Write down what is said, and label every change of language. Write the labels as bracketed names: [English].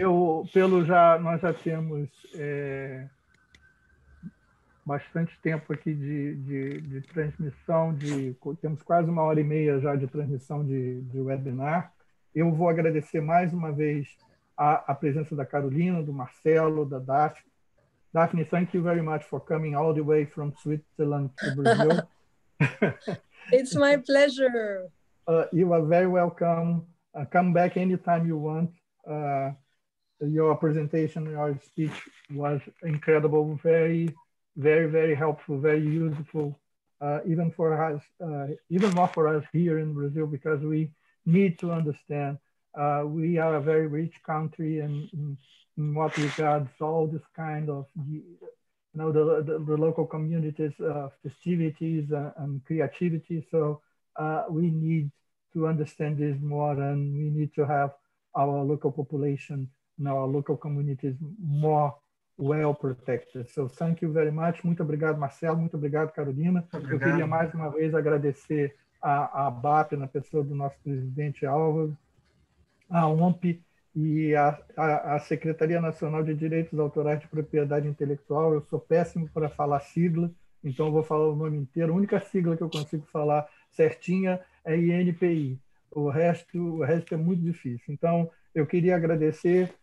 [Portuguese] Bom, nós já temos bastante tempo aqui de transmissão, temos quase uma hora e meia já de transmissão de webinar. Eu vou agradecer mais uma vez a presença da Carolina, do Marcelo, da Daphne. [English] Daphne, thank you very much for coming all the way from Switzerland to Brazil. It's my pleasure. You are very welcome. Come back anytime you want. Your presentation, your speech was incredible, very, very, very helpful, very useful, even for us, even more for us here in Brazil, because we need to understand. We are a very rich country, and in what regards all this kind of, you know, the local communities, festivities and creativity. So we need to understand this more, and we need to have our local population and our local communities more well protected. So thank you very much. [Portuguese] Muito obrigado, [English] Marcelo. Muito obrigado, Carolina. [Portuguese] Obrigado. Eu queria mais uma vez agradecer a BAP, na pessoa do nosso presidente Álvaro, a OMP e a Secretaria Nacional de Direitos Autorais de Propriedade Intelectual. Eu sou péssimo para falar sigla, então eu vou falar o nome inteiro. A única sigla que eu consigo falar certinha é INPI. O resto é muito difícil. Então, eu queria agradecer